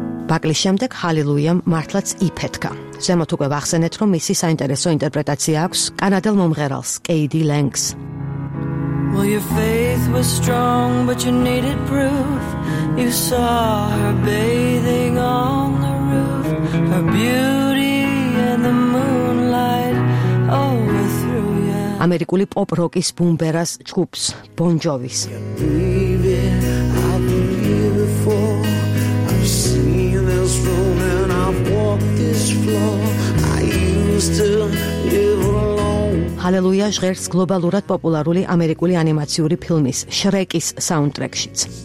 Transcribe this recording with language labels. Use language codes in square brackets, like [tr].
[ka] ბაკლის შემდეგ ჰალილუიამ მართლაც იფეთქა. ზემოთ უკვე ვახსენეთ, რომ მისი საინტერესო ინტერპრეტაცია აქვს კანადელ მომღერალს კეიდი ლენგს. [en] Well, your faith was strong, but you needed proof. You saw her bathing on the roof. Her beauty and the moonlight overthrew you. [ka] ამერიკული პოპ-როკის ბუმბერას ჯგუფს Bon Jovi's. Hallelujah ჟღერს გლობალურად პოპულარული ამერიკული ანიმაციური ფილმის შრეკის საუნდტრეკშიც.